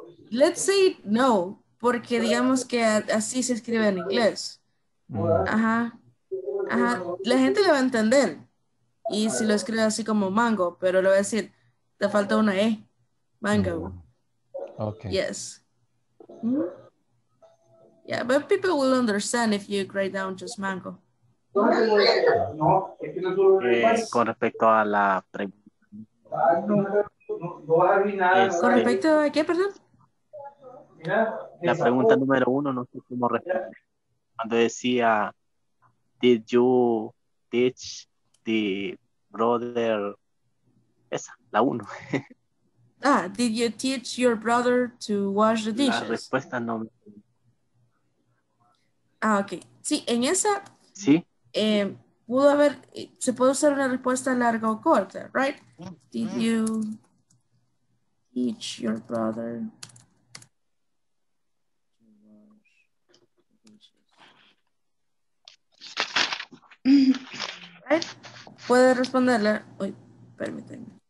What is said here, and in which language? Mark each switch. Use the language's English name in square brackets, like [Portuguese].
[English] Let's say no, [Spanish] porque digamos que así se escribe en inglés. Ajá. Ajá. La gente le va a entender. Y si lo escribe así como mango, pero le va a decir, te falta una E. Mango. Okay. [English] Yes. Mm-hmm. Yeah, but people will understand if you write down just mango. [Spanish] Con respecto a la pregunta. Con respecto a qué, perdón. La pregunta número uno, no sé cómo responder. Cuando decía, [English] did you teach the brother? [Spanish] Esa, la uno. [English] Ah, did you teach your brother to wash the dishes? [Spanish] La respuesta no. Ah, ok. Sí, en esa... Sí. Pudo haber... Se puede usar una respuesta larga o corta, right? [English] Did you teach your brother to wash the dishes? [Spanish] Right? Puede responderla... Uy, permíteme.